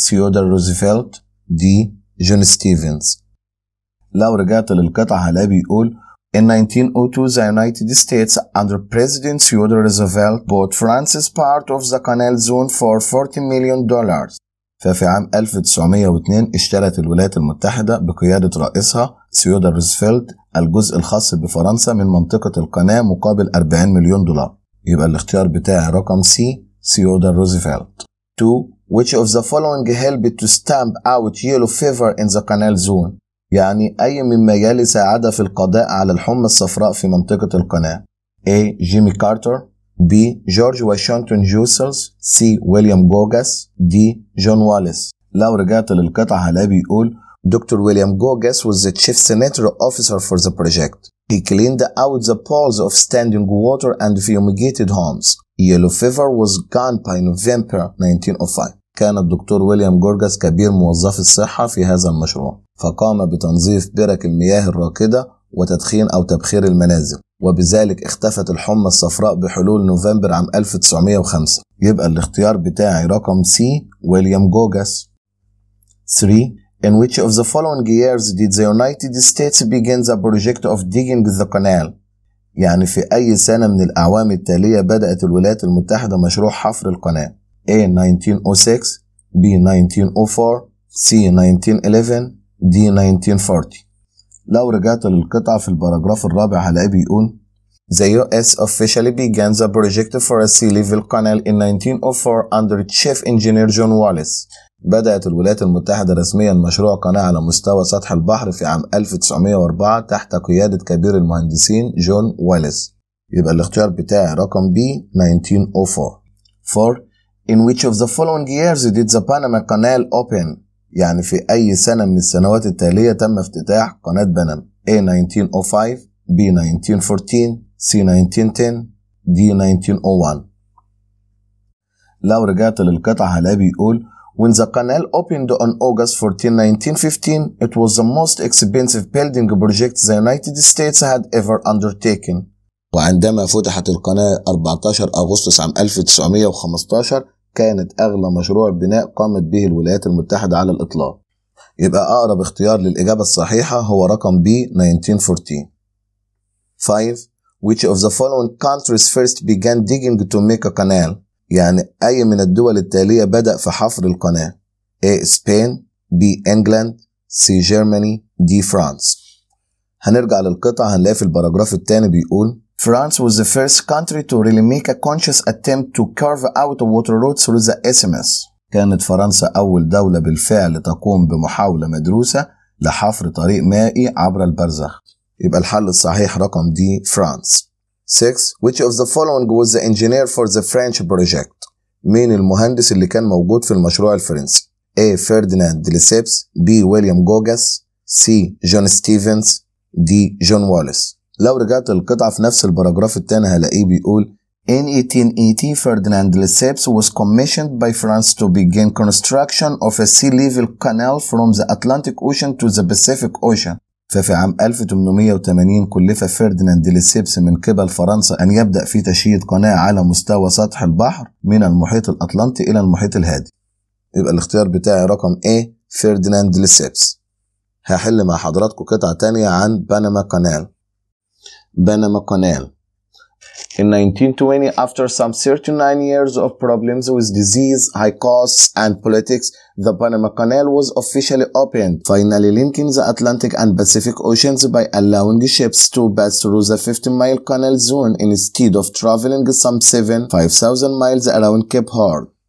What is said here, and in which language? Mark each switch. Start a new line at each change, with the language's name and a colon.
English: Theodore Roosevelt. D. John Stevens.
Arabic: لو رجعت للقطعة هلاقي بيقول
English: In 1902 the United States under President Theodore Roosevelt bought France's part of the canal zone for $40 million.
Arabic: ففي عام 1902 اشترت الولايات المتحدة بقيادة رئيسها ثيودور روزفلت الجزء الخاص بفرنسا من منطقة القناة مقابل 40 مليون دولار. يبقى الاختيار بتاعي رقم C. Theodore Roosevelt.
English: 2. Which of the following helped to stamp out yellow fever in the canal zone؟
Arabic: يعني أي مما يلي ساعد في القضاء على الحمى الصفراء في منطقة القناة: A. جيمي كارتر، B. جورج واشنطن جوسلز، C. ويليام جوجاس، D. جون واليس. لو رجعت للقطعة هلاقي بيقول دكتور
English: ويليام جوجاس was the chief senator officer for the project. He cleaned out the pools of standing water and fumigated homes. Yellow fever was gone by November 1905.
Arabic: كان الدكتور ويليام جوجاس كبير موظف الصحة في هذا المشروع، فقام بتنظيف برك المياه الراكدة وتدخين أو تبخير المنازل، وبذلك اختفت الحمى الصفراء بحلول نوفمبر عام 1905. يبقى الاختيار بتاعي رقم C، ويليام جوجاس. 3.
English: In which of the following years did the United States begin the project of digging the canal؟
Arabic: يعني في أي سنة من الأعوام التالية بدأت الولايات المتحدة مشروع حفر القناة؟
English: A. 1906، B. 1904، C. 1911، D. 1940.
Arabic: لو رجعت للقطعة في الباراجراف الرابع هلاقي بيقول
English: The U.S. officially began the project for a sea level canal in 1904 under Chief Engineer John Wallace.
Arabic: بدأت الولايات المتحدة رسميا مشروع قناة على مستوى سطح البحر في عام 1904 تحت قيادة كبير المهندسين جون واليس. يبقى الاختيار بتاعي رقم B، 1904. 4.
English: In which of the following years did the Panama Canal open؟
Arabic: يعني في أي سنة من السنوات التالية تم افتتاح قناة بنما؟
English: A، 1905، B، 1914، C، 1910، D، 1901.
Arabic: لو رجعت للقطعة هلاقي بيقول
English: When the canal opened on August 14, 1915, it was the most expensive building project the United States had ever undertaken.
Arabic: وعندما فتحت القناة 14 أغسطس عام 1915 كانت أغلى مشروع بناء قامت به الولايات المتحدة على الإطلاق. يبقى أقرب اختيار للإجابة الصحيحة هو رقم B، 1914. 5.
English: Which of the following countries first began digging to make a canal؟
Arabic: يعني أي من الدول التالية بدأ في حفر القناة؟
English: A. Spain، B. England، C. Germany، D. France.
Arabic: هنرجع للقطعة هنلاقي في الباراجراف الثاني بيقول
English: France was the first country to really make a conscious attempt to carve out a water route through the Isthmus.
Arabic: كانت فرنسا أول دولة بالفعل تقوم بمحاولة مدروسة لحفر طريق مائي عبر البرزخ. يبقى الحل الصحيح رقم D، France. 6.
English: Which of the following was the engineer for the French project?
Arabic: مين المهندس اللي كان موجود في المشروع الفرنسي؟ A.
English: Ferdinand Lesseps، B. William Gauguin، C. John Stevens، D. John Wallace.
Arabic: لو رجعت القطعة في نفس الباراجراف الثاني هلاقيه بيقول
English: In 1880 Ferdinand Lesseps was commissioned by France to begin construction of a sea level canal from the Atlantic Ocean to the Pacific Ocean.
Arabic: ففي عام 1880 كلف فيرديناند لسيبس من قبل فرنسا أن يبدأ في تشييد قناة على مستوى سطح البحر من المحيط الأطلنطي إلى المحيط الهادئ. يبقى الاختيار بتاعي رقم A، فيرديناند لسيبس. هحل مع حضراتكم قطعة تانية عن بنما كانال. بنما كانال.
English: In 1920, after some 39 years of problems with disease, high costs, and politics, the Panama Canal was officially opened, finally linking the Atlantic and Pacific Oceans by allowing ships to pass through the 50-mile canal zone instead of traveling some 75,000 miles around Cape Horn.